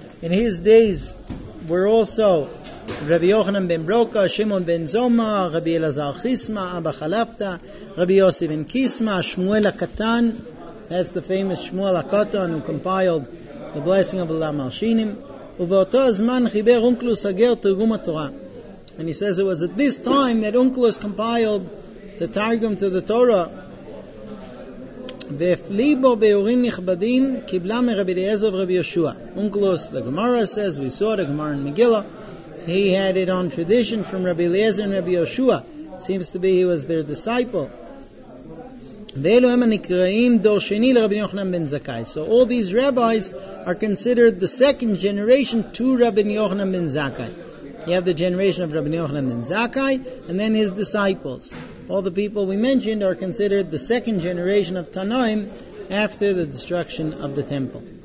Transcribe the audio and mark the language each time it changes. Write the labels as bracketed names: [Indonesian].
[English] In his days, were also Rabbi Yochanan ben Broka, Shimon ben Zoma, Rabbi Elazar Chisma, Abba Chalapta, Rabbi Yossi ben Kisma, Shmuel HaKatan, that's the famous Shmuel HaKatan who compiled the blessing of Olam HaShinim, [Hebrew] ובאותו הזמן חיבר אונקלוס הגר תרגום התורה. [English] And he says it was at this time that Unklus compiled the Targum to the Torah. [Hebrew] והפליבו ביורים נכבדים קיבלה מרבי אליעזר ורבי יהושע. [English] Unklus, the Gemara says, we saw the Gemara in Megillah, he had it on tradition from Rabbi Eliezer and Rabbi Yoshua. Seems to be he was their disciple. [Hebrew] ואלו הם הנקראים דור שני לרבי יוחנן בן זכאי. [English] So all these rabbis are considered the second generation to Rabbi Yochanan ben Zakkai. You have the generation of Rabbi Yochanan ben Zakkai, and then his disciples. All the people we mentioned are considered the second generation of Tanoim after the destruction of the temple.